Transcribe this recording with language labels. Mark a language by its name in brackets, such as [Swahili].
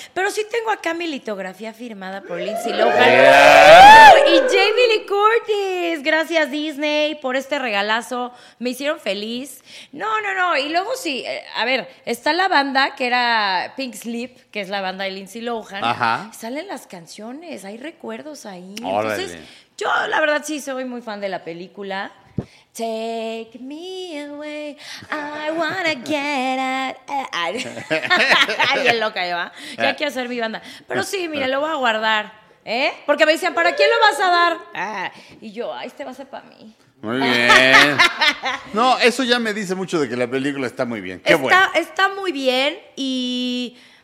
[Spanish] Pero sí tengo acá mi litografía firmada por Lindsay Lohan. Y Jamie Lee Curtis, gracias Disney por este regalazo, me hicieron feliz. No, y luego sí, a ver, está la banda que era Pink Sleep, que es la banda de Lindsay Lohan. Ajá. Salen las canciones, hay recuerdos ahí. Órale. Entonces, yo, la verdad, sí, soy muy fan de la película. [English] Take me away, I wanna get out. [Spanish] Ay, qué loca yo, ¿eh? Ya quiero hacer mi banda. Pero sí, mira, lo voy a guardar, ¿eh? Porque me decían, ¿para quién lo vas a dar? Y yo, ay, este va a ser para mí. Muy bien. No, eso ya me dice mucho de que la película está muy bien. Qué está, bueno. Está muy bien y...